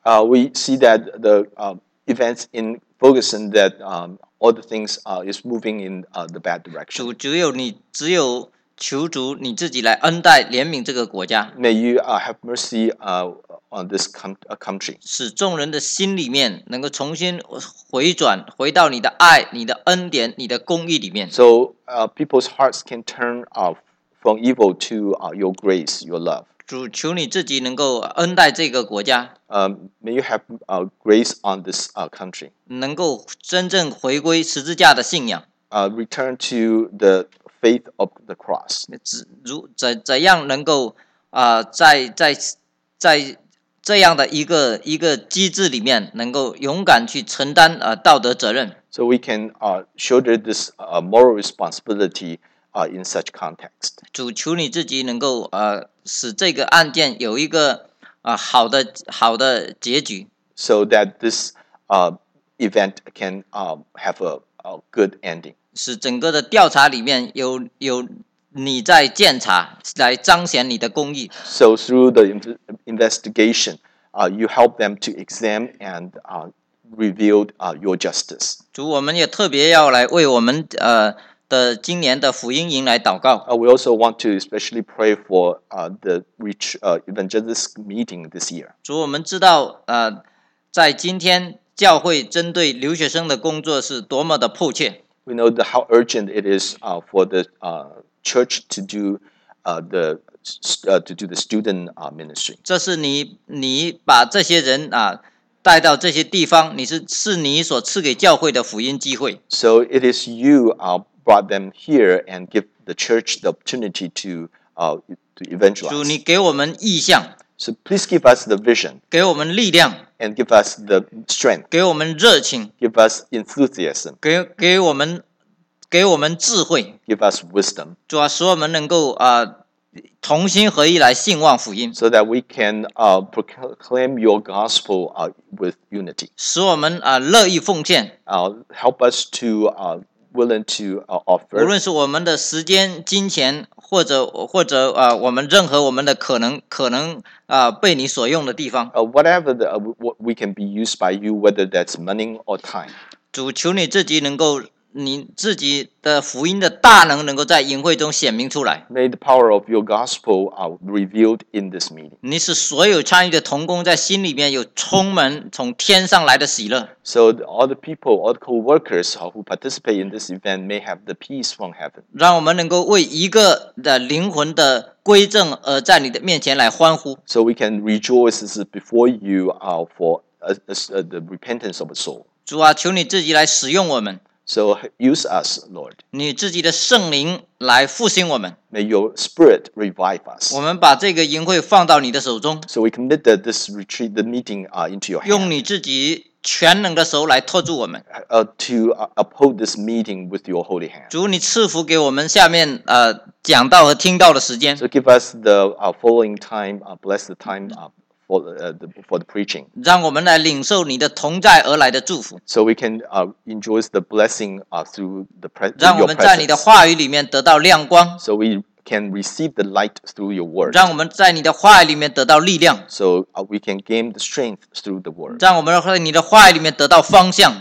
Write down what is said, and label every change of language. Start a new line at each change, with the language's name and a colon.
English: We see that the events in Ferguson that all the things is moving in the bad direction.
Chinese: 只有求主你自己来恩待怜悯这个国家。
English: May you have mercy on this country.
Chinese: 使众人的心里面能够重新回转，回到你的爱、你的恩典、你的公义里面。
English: So people's hearts can turn from evil to your grace, your love.
Chinese: 主，求你自己能够恩待这个国家。
English: May you have grace on this country.
Chinese: 能够真正回归十字架的信仰。
English: Return to the faith of the cross.
Chinese: 怎样能够在这样的一个机制里面，能够勇敢去承担道德责任。
English: So we can shoulder this moral responsibility in such context.
Chinese: 主，求你自己能够使这个案件有一个好的结局。
English: So that this event can have a good ending.
Chinese: 使整个的调查里面有你在监察，来彰显你的公义。
English: So through the investigation, you help them to examine and reveal your justice.
Chinese: 主，我们也特别要来为我们的今年的福音营来祷告。
English: We also want to especially pray for the rich evangelistic meeting this year.
Chinese: 主，我们知道在今天教会针对留学生的工作是多么的迫切。
English: We know how urgent it is for the church to do to do the student ministry.
Chinese: 这是你把这些人带到这些地方，是你所赐给教会的福音机会。
English: So it is you brought them here and give the church the opportunity to evangelize.
Chinese: 主，你给我们意象。
English: So please give us the vision.
Chinese: 给我们力量。
English: And give us the strength.
Chinese: 给我们热情。
English: Give us enthusiasm.
Chinese: 给我们智慧。
English: Give us wisdom.
Chinese: 主啊，使我们能够同心合意来信望福音。
English: So that we can proclaim your gospel with unity.
Chinese: 使我们乐意奉献。
English: Help us to willing to offer.
Chinese: 无论是我们的时间、金钱，或者我们任何我们的可能被你所用的地方。
English: Whatever the what we can be used by you, whether that's money or time.
Chinese: 主，求你自己能够。你自己的福音的大能能够在营会中显明出来。
English: May the power of your gospel are revealed in this meeting.
Chinese: 你使所有参与的同工在心里面有充满从天上来的喜乐。
English: So all the people, all the co-workers who participate in this event may have the peace from heaven.
Chinese: 让我们能够为一个的灵魂的归正而在你的面前来欢呼。
English: So we can rejoice before you for the repentance of a soul.
Chinese: 主啊，求你自己来使用我们。
English: So use us, Lord.
Chinese: 你自己的圣灵来复兴我们。
English: May your spirit revive us.
Chinese: 我们把这个营会放到你的手中。
English: So we commit this retreat, the meeting, into your hand.
Chinese: 用你自己全能的手来托住我们。
English: To uphold this meeting with your holy hand.
Chinese: 主，你赐福给我们下面讲道和听道的时间。
English: So give us the following time, bless the time for the preaching.
Chinese: 让我们来领受你的同在而来的祝福。
English: So we can enjoy the blessing through the presence.
Chinese: 让我们在你的话语里面得到亮光。
English: So we can receive the light through your word.
Chinese: 让我们在你的话语里面得到力量。
English: So we can gain the strength through the word.
Chinese: 让我们在你的话语里面得到方向。